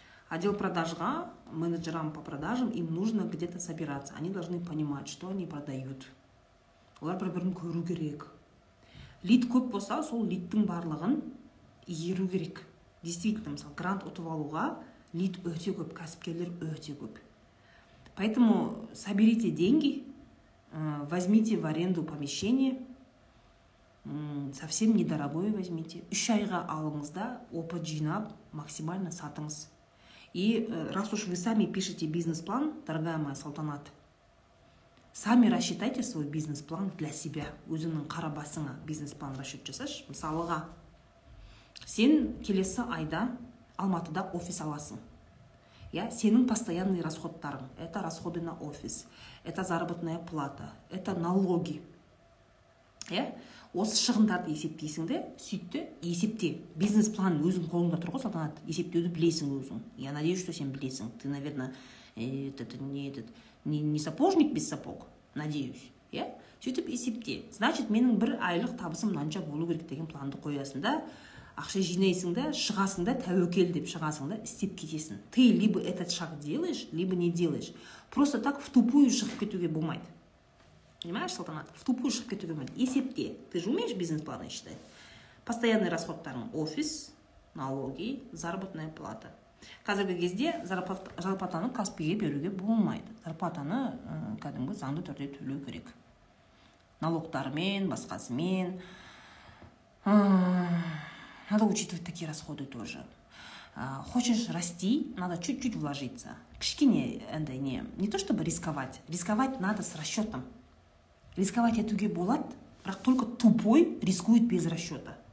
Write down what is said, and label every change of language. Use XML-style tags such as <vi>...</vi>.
<ru>Отдел продажға, менеджерам по продажам, им нужно где-то собираться. Они должны понимать, что они продают.</ru> <kk>Олар бір-бірін көру керек. Лид көп болса, сол лидтің барлығын еру керек. Действительно, мысалы, грант ұтып алуға лид өте көп, кәсіпкерлер өте көп.</kk> <ru>Поэтому соберите деньги, возьмите в аренду помещение, совсем недорогое возьмите.</ru> <kk>Үш айға алыңыз да, опыт жинап, максимально сатыңыз.</kk> <ru>И раз уж вы сами пишете бизнес-план, дорогая моя Салтанат, сами рассчитайте свой бизнес-план для себя.</ru> <kk>Өзіңнің қарабасыңа бизнес-план расчет жасаш. Мысалыға, сен келесі айда Алматыда офис аласың.</kk> <ru>Сенің постоянный расходтарың. Это расходы на офис. Это заработная плата. Это налоги.</ru> <kk>Осы шығындарды есептейсің де, сөйтті есепте. Бизнес-план өзің қолында тұрғы, Салтанат. Есептеуді білесің өзің.</kk> <ru>Я надеюсь, что</ru> <kk>сен білесің.</kk> <ru>Ты, наверное, не сапожник без сапог, надеюсь.</ru> <kk>Сөйтіп есепте. Значит, менің бір айлық табысым нанша болу керек деген планды қоясың да, ақша жинайсың да, шығасың да, тәуекел деп шығасың да, істеп кетесің.</kk> <ru>Ты либо этот шаг делаешь, либо не делаешь. Просто так в тупую</ru> <kk>шығып кетуге болмайды.</kk> <ru>Понимаешь, Салтанат? В тупую шығып кетуге болмайды.</ru> <kk>Есепте.</kk> <ru>Ты же умеешь бизнес-планы считать? Постоянный расходтарың офис, налоги, заработная плата.</ru> <kk>Қазіргі кезде зарплатаны Каспиге беруге болмайды. Зарплатаны кәдімгі заңды түрде төлеу керек. Налогтармен, басқасымен.</kk> <ru>Надо учитывать такие расходы тоже. Хочешь расти, надо чуть-чуть вложиться.</ru> <kk>Кішкене,</kk> <ru>не то чтобы рисковать. Рисковать надо с расчетом. Рисковать</ru> <kk>етуге болады, бірақ</kk> <ru>только тупой рискует без расчета.</ru>